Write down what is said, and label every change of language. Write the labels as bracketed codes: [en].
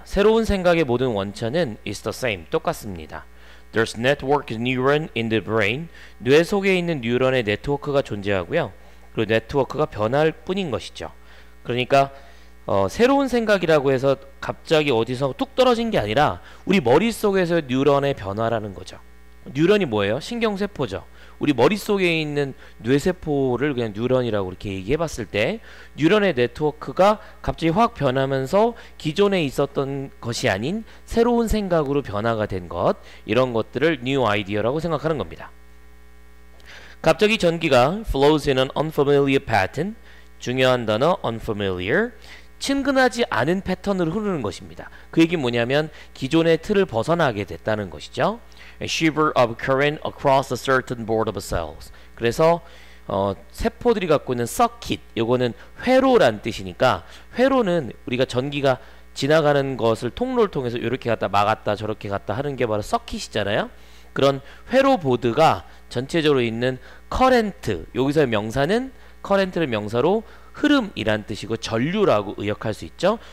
[ko] 새로운 생각의 모든 원천은 [en] is the same. [ko] 똑같습니다. [en] There's network neuron in the brain. [ko] 뇌 속에 있는 뉴런의 네트워크가 존재하고요. 그리고 네트워크가 변할 뿐인 것이죠. 그러니까 새로운 생각이라고 해서 갑자기 어디서 뚝 떨어진 게 아니라 우리 머릿속에서 뉴런의 변화라는 거죠. 뉴런이 뭐예요? 신경세포죠. 우리 머릿속에 있는 뇌세포를 그냥 뉴런이라고 이렇게 얘기해 봤을 때 뉴런의 네트워크가 갑자기 확 변하면서 기존에 있었던 것이 아닌 새로운 생각으로 변화가 된 것, 이런 것들을 [en] new idea [ko] 라고 생각하는 겁니다. 갑자기 전기가 [en] flows in an unfamiliar pattern. [ko] 중요한 단어 unfamiliar. 친근하지 않은 패턴으로 흐르는 것입니다. 그 얘기 뭐냐면 기존의 틀을 벗어나게 됐다는 것이죠. [en] A shiver of current across a certain board of cells. [ko] 그래서 세포들이 갖고 있는 circuit, 이거는 회로란 뜻이니까, 회로는 우리가 전기가 지나가는 것을 통로를 통해서 이렇게 갔다 막았다 저렇게 갔다 하는 게 바로 circuit이잖아요. 그런 회로 보드가 전체적으로 있는 current, 여기서의 명사는 current를 명사로 흐름이란 뜻이고 전류라고 의역할 수 있죠.